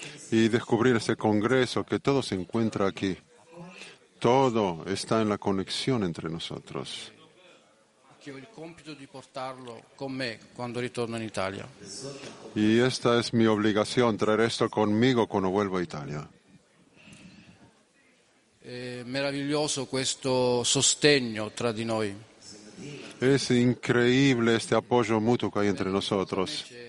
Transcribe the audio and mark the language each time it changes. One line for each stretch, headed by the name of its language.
Spanish: Y descubrir ese congreso que todo se encuentra aquí. Todo está en la conexión entre nosotros.
Italian: Que ho il compito di portarlo con me quando ritorno in Italia.
Spanish: Y esta es mi obligación, traer esto conmigo cuando vuelvo a Italia.
Italian: Meraviglioso questo sostegno tra di noi.
Spanish: Es increíble este apoyo mutuo que hay entre nosotros.